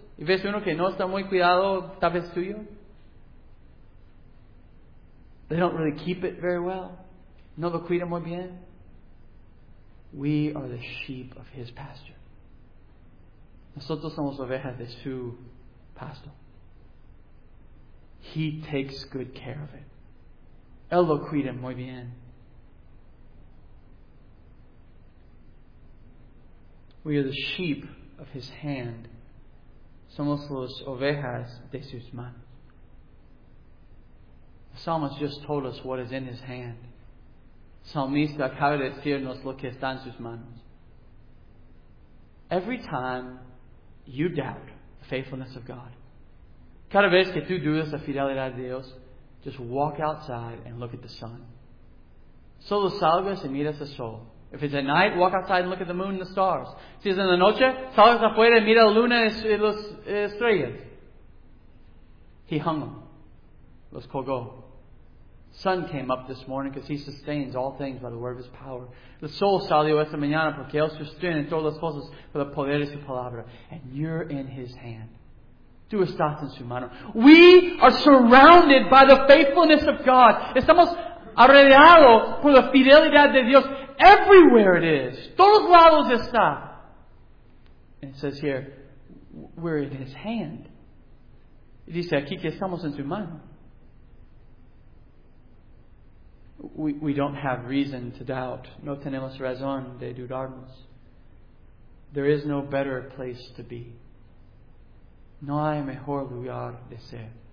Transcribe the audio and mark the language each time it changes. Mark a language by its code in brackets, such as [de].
[es] Y ves uno que no está muy cuidado, tal vez tuyo. [en] They don't really keep it very well. [es] No lo cuida muy bien. [en] We are the sheep of His pasture. [es] Nosotros somos ovejas de su pasto. [en] He takes good care of it. [es] Él lo cuida muy bien. [en] We are the sheep of His hand. [es] Somos los ovejas de sus manos. [en] The psalmist just told us what is in His hand. [es] El salmista acaba de decirnos lo que está en sus manos. [en] Every time you doubt the faithfulness of God, [es] cada vez que tú dudas la fidelidad de Dios, [en] just walk outside and look at the sun. [es] Solo salgas y miras el sol. [en] If it's at night, walk outside and look at the moon and the stars. [es] Si es en la noche, salgas afuera y mira la luna y las estrellas. [en] He hung them. [es] Los colgó. [en] Sun came up this morning because He sustains all things by the word of His power. [es] The soul salió esta mañana porque Él sustiene todas las cosas por el poder de su palabra. [en] And you're in His hand. [es] Tú estás en su mano. [en] We are surrounded by the faithfulness of God. [es] Estamos alrededor por la fidelidad de Dios. [en] Everywhere it is. [es] Todos lados está. [en] And it says here, we're in His hand. [es] Y dice aquí que estamos en su mano. [en] We don't have reason to doubt. [es] No tenemos razón de dudarnos. [en] There is no better place to be. [es] No hay mejor lugar de ser.